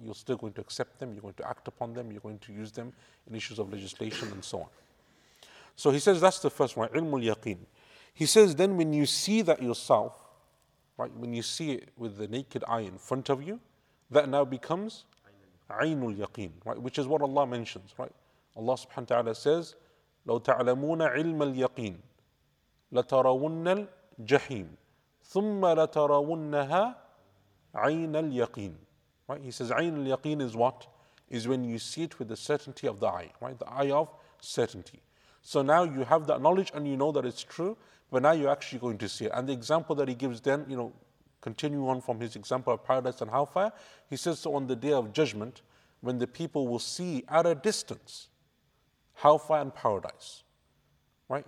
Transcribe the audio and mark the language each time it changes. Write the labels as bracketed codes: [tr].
[en] You're still going to accept them, you're going to act upon them, you're going to use them in issues of legislation and so on. So he says that's the first one, ilm al yaqeen. He says then when you see that yourself, right, when you see it with the naked eye in front of you, that now becomes Aynul Yaqeen, right? Which is what Allah mentions, right? [ar] Allah subhanahu wa ta'ala says, لَوْ تَعْلَمُونَ عِلْمَ الْيَقِينَ لَتَرَوُنَّ الْجَحِيمَ ثُمَّ لَتَرَوُنَّهَا عَيْنَ الْيَقِينَ, right? He says, عَيْنَ الْيَقِينَ is what? [en] Is when you see it with the certainty of the eye, right? The eye of certainty. So now you have that knowledge and you know that it's true, but now you're actually going to see it. And the example that he gives then, you know, continuing on from his example of paradise and hellfire, he says, so on the day of judgment, when the people will see at a distance hellfire and paradise, right?